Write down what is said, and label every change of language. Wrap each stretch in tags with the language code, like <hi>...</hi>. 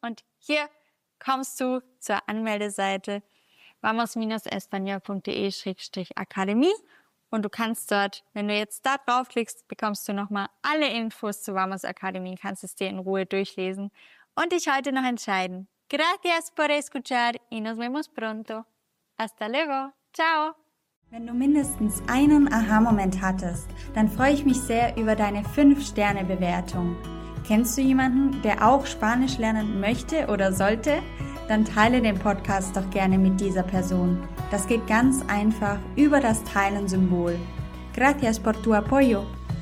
<de>Und hier kommst du zur Anmeldeseite vamos-espanol.de/akademie. Und du kannst dort, wenn du jetzt da draufklickst, bekommst du nochmal alle Infos zur Vamos Akademie. Kannst es dir in Ruhe durchlesen und dich heute noch entscheiden.</de> <es>Gracias por escuchar y nos vemos pronto. Hasta luego. Ciao.</es> <de>Wenn du mindestens einen Aha-Moment hattest, dann freue ich mich sehr über deine 5-Sterne-Bewertung. Kennst du jemanden, der auch Spanisch lernen möchte oder sollte? Dann teile den Podcast doch gerne mit dieser Person. Das geht ganz einfach über das Teilen-Symbol.</de> <es>Gracias por tu apoyo.</es>